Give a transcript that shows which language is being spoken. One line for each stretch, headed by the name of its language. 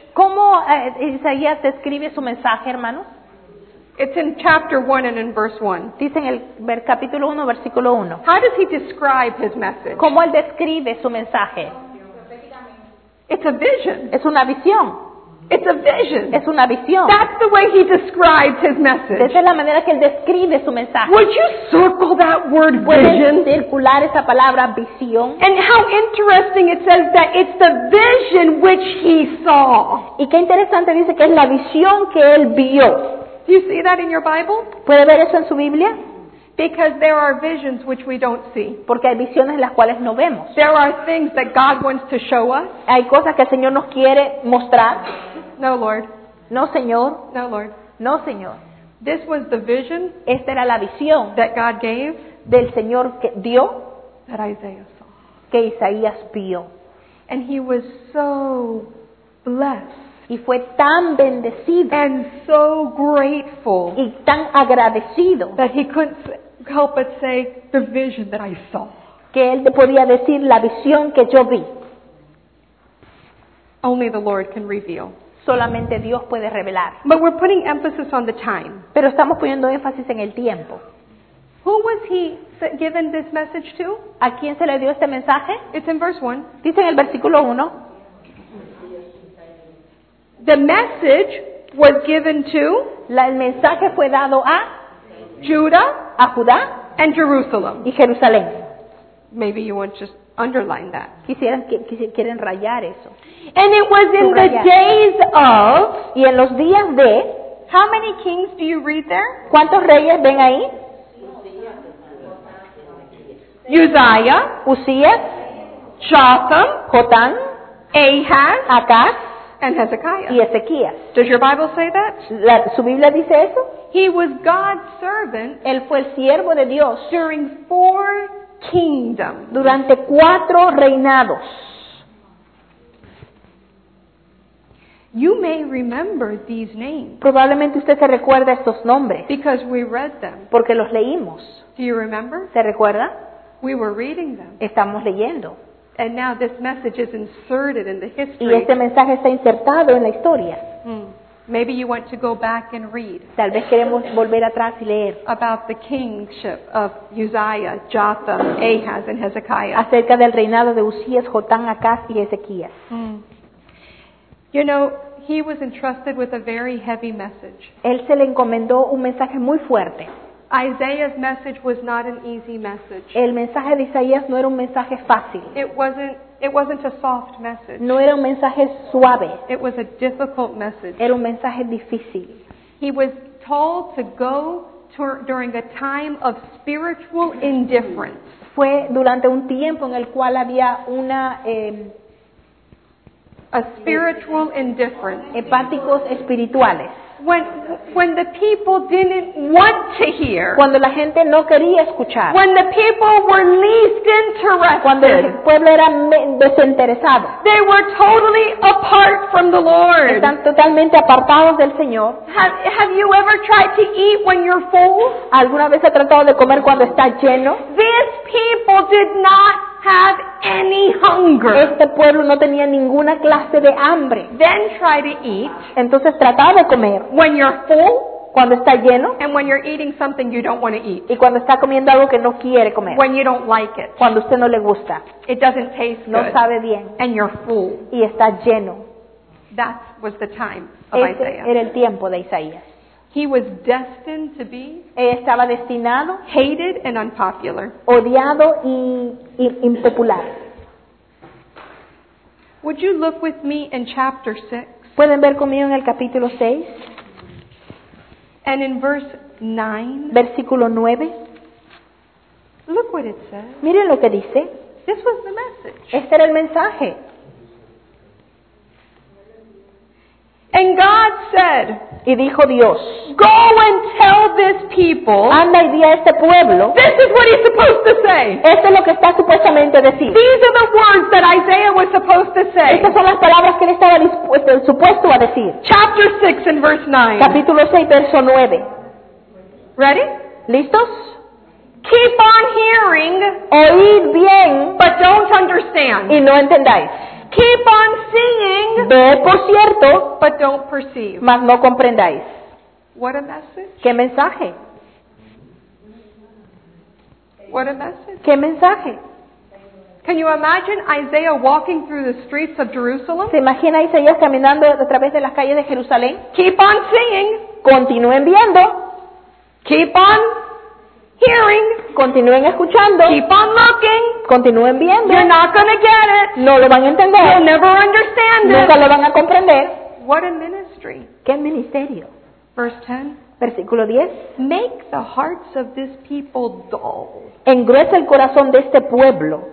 Spanish: ¿Cómo Isaías describe su mensaje, hermano?
English: It's in chapter 1 and in verse 1.
Spanish: Dice en el capítulo 1, versículo 1.
English: How does he describe his message?
Spanish: ¿Cómo él describe su mensaje?
English: It's a vision.
Spanish: Es una visión.
English: It's a vision.
Spanish: Es una visión.
English: That's the way he describes his message.
Spanish: Esa es la manera que él describe su mensaje.
English: Would you circle that word vision?
Spanish: ¿Puedes circular esa palabra visión?
English: And how interesting it says that it's the vision which he saw.
Spanish: Y qué interesante dice que es la visión que él vio.
English: Do you see that in your Bible?
Spanish: ¿Puede ver eso en su Biblia?
English: Because there are visions which we don't see.
Spanish: Porque hay visiones en las cuales no vemos.
English: There are things that God wants to show us.
Spanish: Hay cosas que el Señor nos quiere mostrar.
English: No, Lord.
Spanish: No, Señor.
English: No, Lord.
Spanish: No, Señor.
English: This was the vision.
Spanish: Esta era la visión
English: that God gave.
Spanish: Del Señor que dio.
English: That Isaiah saw.
Spanish: Que Isaías vio.
English: And he was so blessed.
Spanish: Y fue tan bendecido.
English: And so grateful.
Spanish: Y tan agradecido.
English: That he couldn't help but say the vision that I saw.
Spanish: Que él podía decir la visión que yo vi.
English: Only the Lord can reveal.
Spanish: Solamente Dios puede revelar.
English: But we're putting emphasis on the time.
Spanish: Pero estamos poniendo énfasis en el tiempo.
English: Who was he given this message to?
Spanish: ¿A quién se le dio este mensaje?
English: It's in verse 1.
Spanish: Dice en el versículo 1.
English: The message was given to
Spanish: el mensaje fue dado a
English: Judah,
Spanish: a Judá,
English: and Jerusalem,
Spanish: y Jerusalén.
English: Maybe you want to just underline that.
Spanish: Quieren rayar eso.
English: And it was in the days of,
Spanish: y en los días de,
English: how many kings do you read there?
Spanish: ¿Cuántos reyes ven ahí?
English: Uzziah,
Spanish: Uzías,
English: Jotham,
Spanish: Jotán,
English: Ahaz,
Spanish: Acaz,
English: and Hezekiah.
Spanish: Y Ezequías.
English: Does your Bible say that?
Spanish: ¿Su Biblia dice eso?
English: He was God's servant.
Spanish: Él fue el siervo de Dios.
English: During four kingdoms.
Spanish: Durante cuatro reinados.
English: You may remember these names.
Spanish: Probablemente usted se recuerda estos nombres.
English: Because we read them.
Spanish: Porque los leímos.
English: Do you remember?
Spanish: ¿Se recuerda?
English: We were reading them.
Spanish: Estamos leyendo.
English: And now this message is inserted in the history.
Spanish: Y este mensaje está insertado en la historia.
English: Maybe you want to go back and read.
Spanish: Tal vez queremos volver atrás y leer.
English: About the kingship of Uzziah, Jotham, Ahaz, and Hezekiah.
Spanish: Acerca del reinado de Uzías, Jotán, Acaz y Ezequías.
English: You know, he was entrusted with a very heavy message.
Spanish: Él se le encomendó un mensaje muy fuerte.
English: Isaiah's message was not an easy message.
Spanish: El mensaje de Isaías no era un mensaje fácil.
English: It wasn't a soft message.
Spanish: No era un mensaje suave.
English: It was a difficult message.
Spanish: Era un mensaje difícil.
English: He was told to go during a time of spiritual indifference.
Spanish: Fue durante un tiempo en el cual había una
English: a spiritual indifference.
Spanish: Empáticos espirituales.
English: When the people didn't want to hear.
Spanish: Cuando la gente no quería escuchar.
English: When the people were least interested.
Spanish: Cuando el pueblo era desinteresado.
English: They were totally apart from the Lord.
Spanish: Están totalmente apartados del Señor.
English: Have you ever tried to eat when you're full?
Spanish: ¿Alguna vez ha tratado de comer cuando está lleno?
English: These people did not have any hunger.
Spanish: Este pueblo no tenía ninguna clase de hambre.
English: Then try to eat.
Spanish: Entonces trataba de comer.
English: When you're full.
Spanish: Cuando está lleno.
English: And when you're eating something you don't want to eat.
Spanish: Y cuando está comiendo algo que no quiere comer.
English: When you don't like it.
Spanish: Cuando usted no le gusta.
English: It doesn't taste good.
Spanish: No sabe bien.
English: And you're full.
Spanish: Y está lleno.
English: That was the time of Isaiah.
Spanish: Este era el tiempo de Isaías.
English: He was destined to be.
Spanish: Él estaba destinado.
English: Hated and unpopular.
Spanish: Odiado y impopular.
English: Would you look with me in chapter 6?
Spanish: ¿Pueden ver conmigo en el capítulo 6?
English: And in verse 9.
Spanish: Versículo 9.
English: Look what it says.
Spanish: Miren lo que dice.
English: This was the message.
Spanish: Este era el mensaje.
English: And God said,
Spanish: y dijo Dios,
English: go and tell this people,
Spanish: anda y di a este pueblo,
English: this is what he's supposed to say.
Spanish: Esto es lo que está supuestamente a decir.
English: These are the words that Isaiah was supposed to say.
Spanish: Estas son las palabras que él estaba supuesto a decir.
English: Chapter 6 and verse 9.
Spanish: Capítulo 6, verso 9.
English: Ready?
Spanish: ¿Listos?
English: Keep on hearing,
Spanish: oíd bien,
English: but don't understand.
Spanish: Y no entendáis.
English: Keep on seeing,
Spanish: ve por cierto,
English: but don't perceive.
Spanish: Mas no comprendáis.
English: What a message.
Spanish: ¿Qué mensaje?
English: What a message.
Spanish: ¿Qué mensaje?
English: Can you imagine Isaiah walking through the streets of Jerusalem?
Spanish: ¿Se imagina Isaías caminando a través de las calles de Jerusalén?
English: Keep on seeing.
Spanish: Continúen viendo.
English: Keep on hearing.
Spanish: Continúen escuchando.
English: Keep on looking.
Spanish: Continúen viendo.
English: You're not gonna get it.
Spanish: No lo van a entender.
English: You'll never understand it.
Spanish: Nunca lo van a comprender.
English: What a ministry.
Spanish: ¿Qué ministerio?
English: Verse 10.
Spanish: Versículo 10.
English: Make the hearts of this people dull.
Spanish: Engruesa el corazón de este pueblo.